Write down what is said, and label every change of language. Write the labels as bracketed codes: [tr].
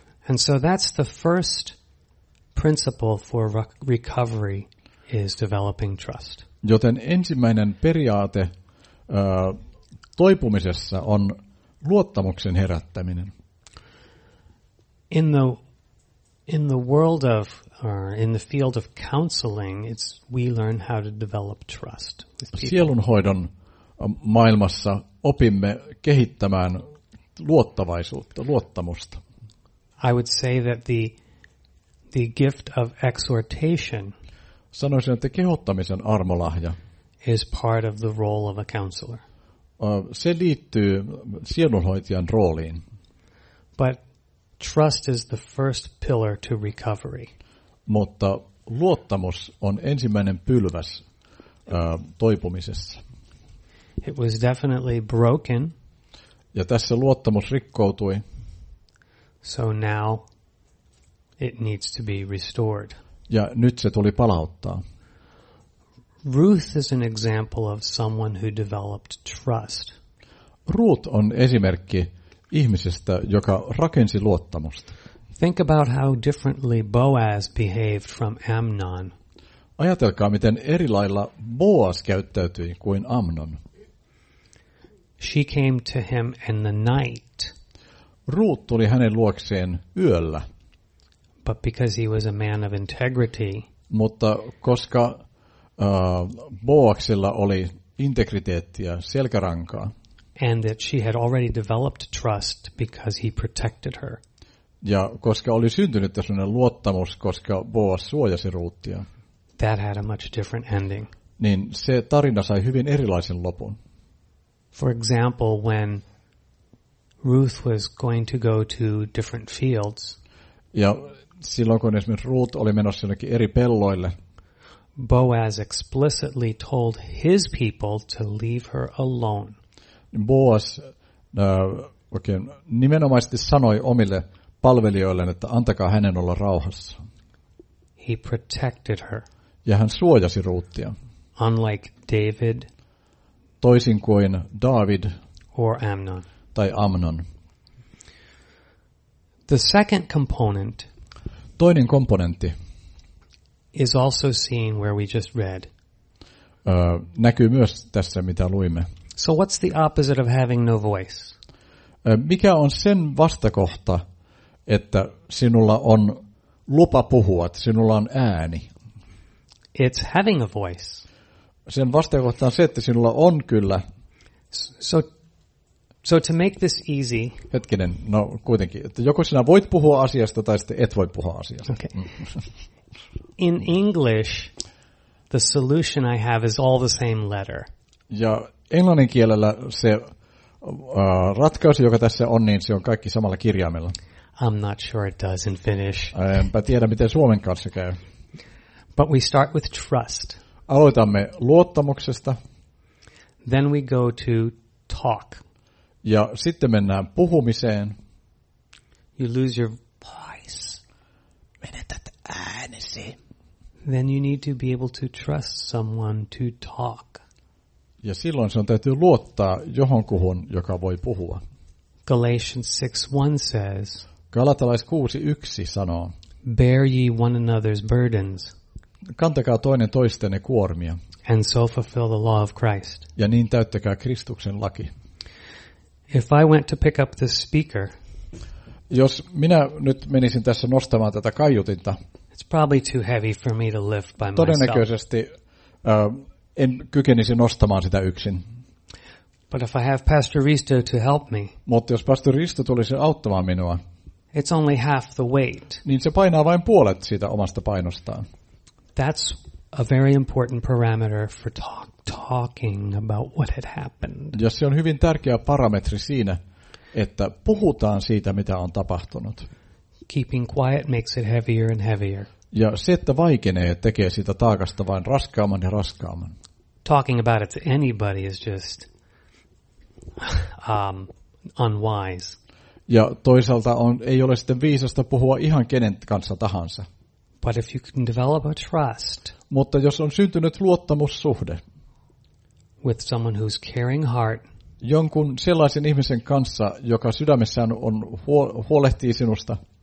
[en] And so that's the first principle for recovery is developing trust. [fi] Joten ensimmäinen periaate toipumisessa on luottamuksen herättäminen. [en] In the world of in the field of counseling, it's we learn how to develop trust. [fi] Sielunhoidon maailmassa opimme kehittämään luottavaisuutta, luottamusta. [en] I would say that the gift of exhortation. [fi] Sanoisin, että kehottamisen armolahja [en] is part of the role of a counselor. [fi] Se liittyy sielunhoitajan rooliin. [en] But trust is the first pillar to recovery. [fi] Mutta luottamus on ensimmäinen pylväs toipumisessa. [en] It was definitely broken. [fi] Ja tässä luottamus rikkoutui. [en] So now it needs to be restored. [fi] Ja nyt se tuli palauttaa. [en] Ruth is an example of someone who developed trust. [fi] Ruth on esimerkki ihmisestä, joka rakensi luottamusta. [en] Think about how differently Boaz behaved from Amnon. [fi] Ajatelkaa, miten eri lailla Boaz käyttäytyi kuin Amnon. [en] She came to him in the night. [fi] Ruth tuli hänen luokseen yöllä. [en] But because he was a man of integrity. [fi] Mutta koska Boaksella oli integriteettiä, selkärankaa. [en] And that she had already developed trust because he protected her. [fi] Ja koska oli syntynyt tämmöinen luottamus, koska Boas suojasi Ruuttia. [en] That had a much different ending. [fi] Niin se tarina sai hyvin erilaisen lopun. [en] For example, when Ruth was going to go to different fields. [fi] Ja silloin kun esimerkiksi Ruth oli menossa jonnekin eri pelloille. [en] Boaz explicitly told his people to leave her alone. [fi] Boas oikein nimenomaisesti sanoi omille palvelijoille, että antakaa hänen olla rauhassa. [en] He protected her. [fi] Ja hän suojasi Ruuttia. [en] Unlike David. [fi] Toisin kuin David. [en] Or Amnon. [fi] Tai Amnon. [en] The second component. [fi] Toinen komponentti. [en] Is also seen where we just read. [fi] Näkyy myös tässä, mitä luimme. [en] So what's the opposite of having no voice? [fi] Mikä on sen vastakohta, että sinulla on lupa puhua, että sinulla on ääni? [en] It's having a voice. [fi] Sen vastakohta on se, että sinulla on kyllä. [en] So to make this easy. [fi] Hetkinen, no kuitenkin, että joko sinä voit puhua asiasta tai sitten et voi puhua asiasta. [en] Okay. In English, the solution I have is all the same letter. [fi] Ja englannin kielellä se ratkaisu, joka tässä on, niin se on kaikki samalla kirjaimella. [en] I'm not sure it does in Finnish. [fi] Enpä tiedä, miten suomen kanssa käy. [en] But we start with trust. [fi] Aloitamme luottamuksesta. [en] Then we go to talk. [fi] Ja sitten mennään puhumiseen. [en] You lose your voice. [fi] Menetät äänesi. [en] Then you need to be able to trust someone to talk. [fi] Ja silloin sinun täytyy luottaa johonkuhun, joka voi puhua. [en] Galatians 6:1 says. [fi] Galatalais 6:1 sanoo. [en] Bear ye one another's burdens. [fi] Kantakaa toinen toistenne kuormia. [en] And so fulfill the law of Christ. [fi] Ja niin täyttäkää Kristuksen laki. [en] If I went to pick up the speaker. [fi] Jos minä nyt menisin tässä nostamaan tätä kaiutinta. [en] It's probably too heavy for me to lift by myself. [fi] Todennäköisesti en kykenisi nostamaan sitä yksin. [en] But if I have Pastor Risto to help me. [fi] Mutta jos Pastor Risto tulisi auttamaan minua. [en] It's only half the weight. [fi] Niin se painaa vain puolet siitä omasta painostaan. [en] That's a very important parameter for talking about what had happened. [fi] Ja se on hyvin tärkeä parametri siinä, että puhutaan siitä, mitä on tapahtunut. [en] Keeping quiet makes it heavier and heavier. [fi] Ja se, että vaikenee, tekee siitä taakasta vain raskaamman ja raskaamman. [en] Talking about it to anybody is just unwise. [fi] Ja toisaalta on, ei ole sitten viisasta puhua ihan kenen kanssa tahansa. [en] But if you can develop a trust, [fi] mutta jos on syntynyt luottamussuhde [en] with someone who's caring heart, [fi] jonkun sellaisen ihmisen kanssa, joka sydämessään on huolehtii sinusta